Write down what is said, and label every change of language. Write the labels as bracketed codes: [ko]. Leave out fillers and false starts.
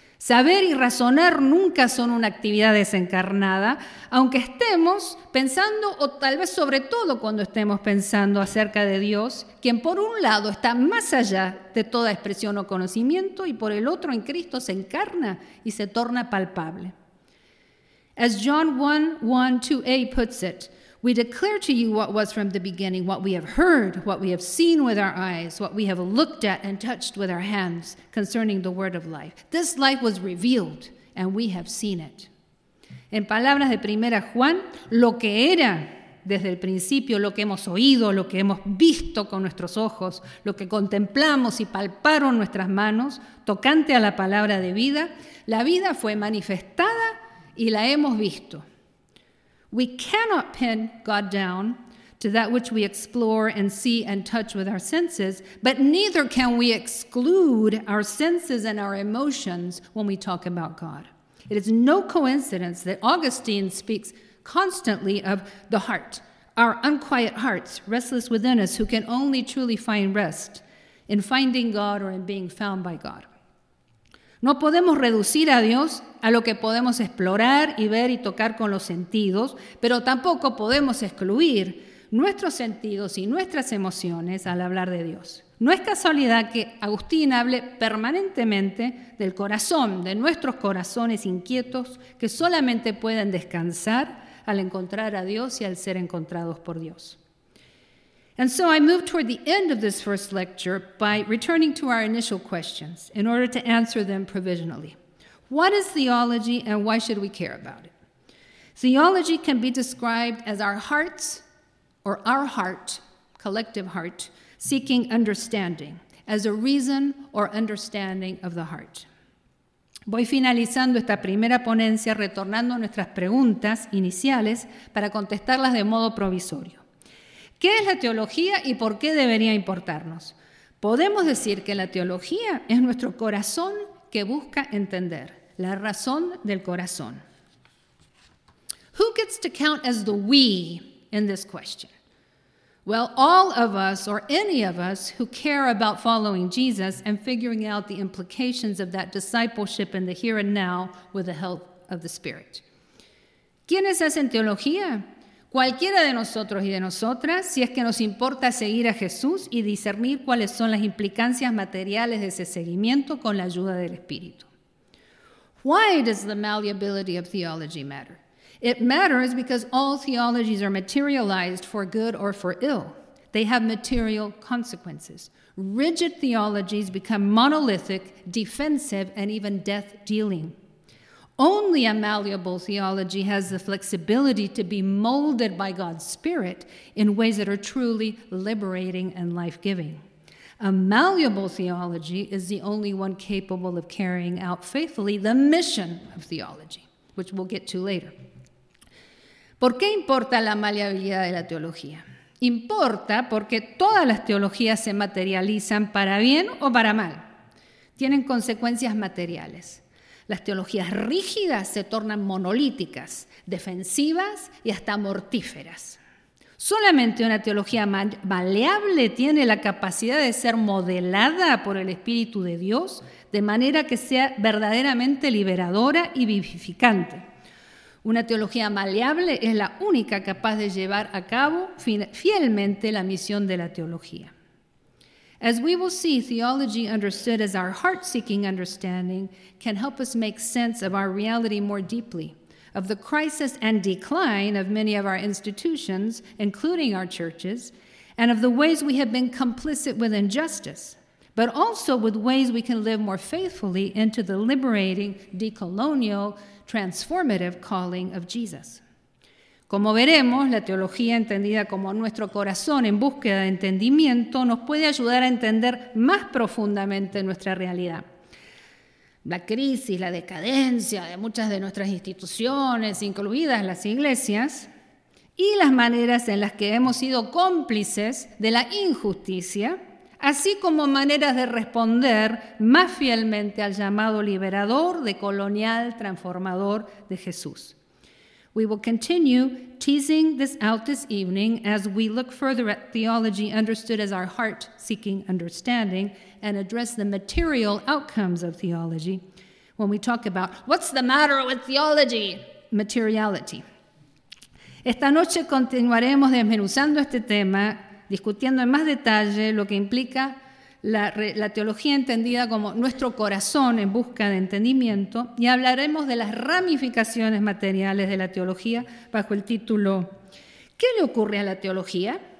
[es] Saber y razonar nunca son una actividad desencarnada, aunque estemos pensando, o tal vez sobre todo cuando estemos pensando acerca de Dios, quien por un lado está más allá de toda expresión o conocimiento, y por el otro en Cristo se encarna y se torna palpable. [en] As John 1:1-2a puts it, we declare to you what was from the beginning, what we have heard, what we have seen with our eyes, what we have looked at and touched with our hands concerning the word of life. This life was revealed, and we have seen it. [es] En palabras de Primera Juan, lo que era desde el principio, lo que hemos oído, lo que hemos visto con nuestros ojos, lo que contemplamos y palparon nuestras manos, tocante a la palabra de vida, la vida fue manifestada y la hemos visto. [en] We cannot pin God down to that which we explore and see and touch with our senses, but neither can we exclude our senses and our emotions when we talk about God. It is no coincidence that Augustine speaks constantly of the heart, our unquiet hearts, restless within us, who can only truly find rest in finding God or in being found by God. [es] No podemos reducir a Dios a lo que podemos explorar y ver y tocar con los sentidos, pero tampoco podemos excluir nuestros sentidos y nuestras emociones al hablar de Dios. No es casualidad que Agustín hable permanentemente del corazón, de nuestros corazones inquietos que solamente pueden descansar al encontrar a Dios y al ser encontrados por Dios. [en] And so I move toward the end of this first lecture by returning to our initial questions in order to answer them provisionally. What is theology and why should we care about it? Theology can be described as our hearts, or our heart, collective heart, seeking understanding, as a reason or understanding of the heart. [es] Voy finalizando esta primera ponencia retornando nuestras preguntas iniciales para contestarlas de modo provisorio. ¿Qué es la teología y por qué debería importarnos? Podemos decir que la teología es nuestro corazón que busca entender, la razón del corazón. [en] Who gets to count as the we in this question? Well, all of us or any of us who care about following Jesus and figuring out the implications of that discipleship in the here and now with the help of the Spirit. [es] ¿Quiénes hacen teología? Cualquiera de nosotros y de nosotras, si es que nos importa seguir a Jesús y discernir cuáles son las implicancias materiales de ese seguimiento con la ayuda del Espíritu. [en] Why does the malleability of theology matter? It matters because all theologies are materialized for good or for ill. They have material consequences. Rigid theologies become monolithic, defensive, and even death-dealing. Only a malleable theology has the flexibility to be molded by God's Spirit in ways that are truly liberating and life-giving. A malleable theology is the only one capable of carrying out faithfully the mission of theology, which we'll get to later. [es] ¿Por qué importa la maleabilidad de la teología? Importa porque todas las teologías se materializan para bien o para mal. Tienen consecuencias materiales. Las teologías rígidas se tornan monolíticas, defensivas y hasta mortíferas. Solamente una teología maleable tiene la capacidad de ser modelada por el Espíritu de Dios de manera que sea verdaderamente liberadora y vivificante. Una teología maleable es la única capaz de llevar a cabo fielmente la misión de la teología. [en] As we will see, theology understood as our heart-seeking understanding can help us make sense of our reality more deeply, of the crisis and decline of many of our institutions, including our churches, and of the ways we have been complicit with injustice, but also with ways we can live more faithfully into the liberating, decolonial, transformative calling of Jesus. [es] Como veremos, la teología entendida como nuestro corazón en búsqueda de entendimiento nos puede ayudar a entender más profundamente nuestra realidad. La crisis, la decadencia de muchas de nuestras instituciones, incluidas las iglesias, y las maneras en las que hemos sido cómplices de la injusticia, así como maneras de responder más fielmente al llamado liberador, decolonial, transformador de Jesús. [en] We will continue teasing this out this evening as we look further at theology understood as our heart-seeking understanding and address the material outcomes of theology when we talk about what's the matter with theology? Materiality. [es] Esta noche continuaremos desmenuzando este tema, discutiendo en más detalle lo que implica la teología entendida como nuestro corazón en busca de entendimiento, y hablaremos de las ramificaciones materiales de la teología bajo el título ¿Qué le ocurre a la teología?